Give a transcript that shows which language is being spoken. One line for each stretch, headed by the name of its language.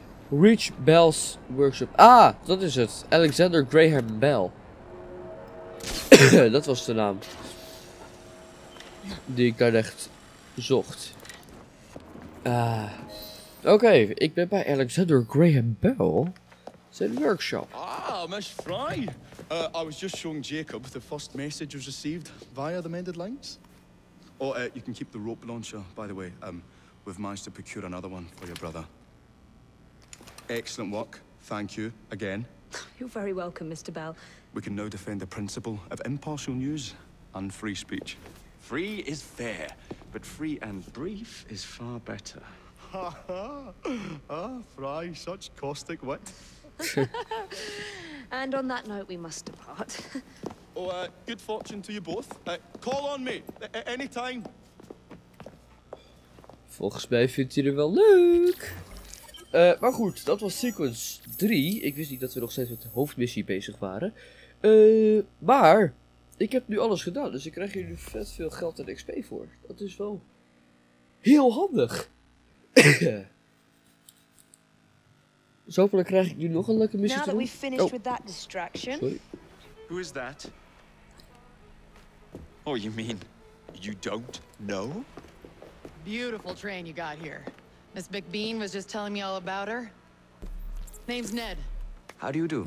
Dutch: Reach Bell's Workshop. Ah, dat is het. Alexander Graham Bell. Dat was de naam. Die ik daar echt zocht. Oké, ik ben bij Alexander Graham Bell. Zijn workshop. Ah, Miss Fry.
English: I was just showing Jacob the first message was received via the mended lines. Oh, you can keep the rope launcher, by the way. We've managed to procure another one for your brother. Excellent work. Thank you, again. You're very welcome, Mr. Bell. We can now defend the principle of impartial news and free speech. Free is fair, but free and brief is far better. Ha ha! Ah, Fry, such caustic wit. And on that note, we must depart. Oh, good fortune to you both. Call on me, anytime.
Dutch: Volgens mij vindt hij er wel leuk. Maar goed, dat was sequence 3. Ik wist niet dat we nog steeds met de hoofdmissie bezig waren. Maar ik heb nu alles gedaan, dus ik krijg hier nu vet veel geld en XP voor. Dat is wel heel handig. Dus hopelijk krijg ik nu nog een leuke missie.
English: Now that we've finished with that distraction. Sorry. Who is that? Oh, you mean you don't know? Beautiful train you got here. Miss McBean was just telling me all about her. Name's Ned. How do you do?